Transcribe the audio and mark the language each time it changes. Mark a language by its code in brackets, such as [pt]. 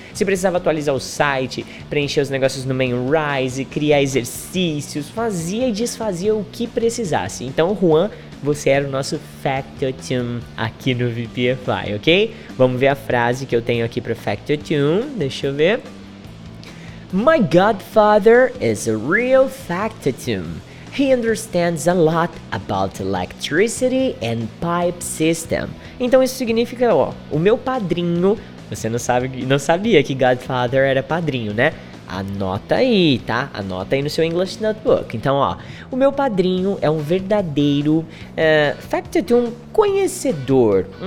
[pt] Se precisava atualizar o site, preencher os negócios no Mainrise, criar exercícios, fazia e desfazia o que precisasse. Então, Juan, você era o nosso factotum aqui no VIPify, ok? Vamos ver a frase que eu tenho aqui para factotum, deixa eu ver. [en] My godfather is a real factotum. He understands a lot about electricity and pipe system. [pt] Então isso significa, ó, o meu padrinho, você não sabia que Godfather era padrinho, né? Anota aí, tá? Anota aí no seu English Notebook. Então, ó, o meu padrinho é um verdadeiro factotum conhecedor.